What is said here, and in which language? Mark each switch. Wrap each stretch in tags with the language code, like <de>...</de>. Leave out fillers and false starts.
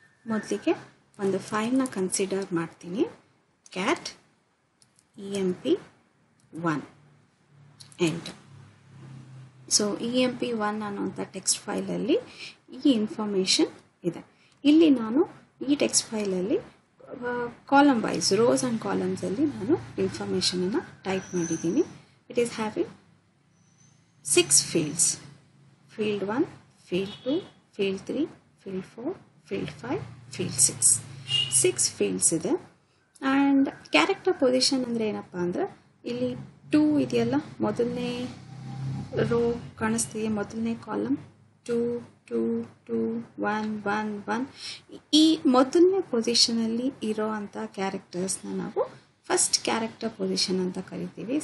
<kn>ಮೊದಲಿಗೆ ಒಂದು ಫೈಲ್ನ ಕನ್ಸಿಡರ್ ಮಾಡ್ತೀನಿ, cat emp1 enter. So emp1 ಅನ್ನೋಂಥ ಟೆಕ್ಸ್ಟ್ ಫೈಲಲ್ಲಿ ಈ ಇನ್ಫಾರ್ಮೇಷನ್ ಇದೆ. ಇಲ್ಲಿ ನಾನು ಈ text ಫೈಲಲ್ಲಿ column wise rose and ಕಾಲಮ್ಸಲ್ಲಿ ನಾನು ಇನ್ಫಾರ್ಮೇಷನನ್ನು ಟೈಪ್ ಮಾಡಿದ್ದೀನಿ.</kn> <en>It is having 6 fields, field 1, field 2, field 3, field 4, field 5, field 6.</en> <kn>6 fields ಇದೆ. ಆ್ಯಂಡ್ ಕ್ಯಾರೆಕ್ಟರ್ ಪೊಸಿಷನ್ ಅಂದರೆ ಏನಪ್ಪ ಅಂದರೆ ಇಲ್ಲಿ 2 ಇದೆಯಲ್ಲ, ಮೊದಲನೇ ರೋ ಕಾಣಿಸ್ತಿದೆ, ಮೊದಲನೇ ಕಾಲಮ್ 2-2-2-1-1-1. ಈ ಮೊದಲನೇ ಪೊಸಿಷನಲ್ಲಿ ಇರೋ ಅಂಥ ಕ್ಯಾರೆಕ್ಟರ್ಸ್ನ ನಾವು ಫಸ್ಟ್ ಕ್ಯಾರೆಕ್ಟರ್ ಪೊಸಿಷನ್ ಅಂತ ಕರಿತೀವಿ.</kn>